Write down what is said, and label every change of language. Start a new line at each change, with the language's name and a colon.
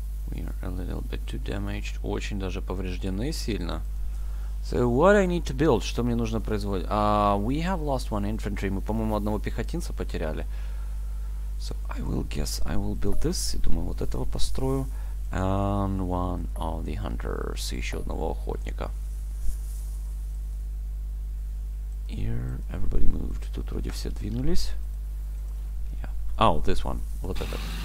English: We are a little bit too damaged.
Russian: Очень даже повреждены сильно.
English: So what I need to build?
Russian: Что мне нужно производить?
English: We have lost one infantry.
Russian: Мы, по-моему, одного пехотинца потеряли.
English: So I will guess I will build this.
Russian: И думаю, вот этого построю.
English: And one of the hunters.
Russian: Еще одного охотника.
English: Here everybody moved.
Russian: Тут вроде все двинулись.
English: Yeah. Oh, this one.
Russian: Вот этот.